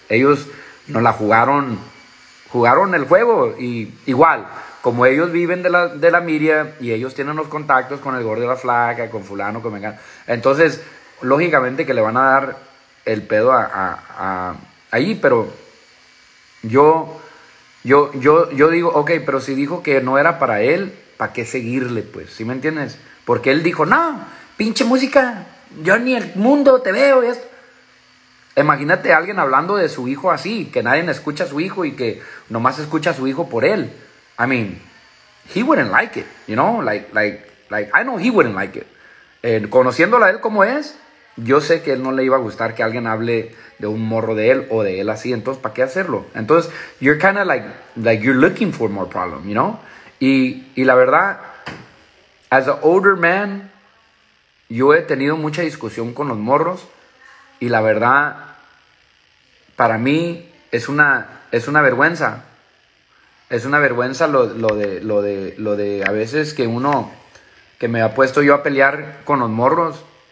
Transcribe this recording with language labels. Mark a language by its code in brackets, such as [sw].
[es] Ellos nos la jugaron el juego, y igual, como ellos viven de la Miria y ellos tienen los contactos con el gordo de la flaca, con fulano, con mengano, entonces, lógicamente que le van a dar el pedo a ahí, pero yo digo, ok, pero si dijo que no era para él, ¿para qué seguirle, pues? ¿Sí me entiendes? Porque él dijo, no, pinche música, yo ni el mundo te veo y esto. Imagínate a alguien hablando de su hijo así, que nadie escucha a su hijo y que nomás escucha a su hijo por él. [en] I mean, he wouldn't like it, you know? Like, I know he wouldn't like it. [es] Conociéndola a él como es, yo sé que él no le iba a gustar que alguien hable de un morro de él o de él así. Entonces, ¿para qué hacerlo? [en] Entonces, you're kind of like you're looking for more problem, you know? [es] Y la verdad, [en] as an older man, [es] yo he tenido mucha discusión con los morros. Y la verdad, para mí es una vergüenza. Es una vergüenza lo de a veces que uno que me ha puesto yo a pelear con los morros.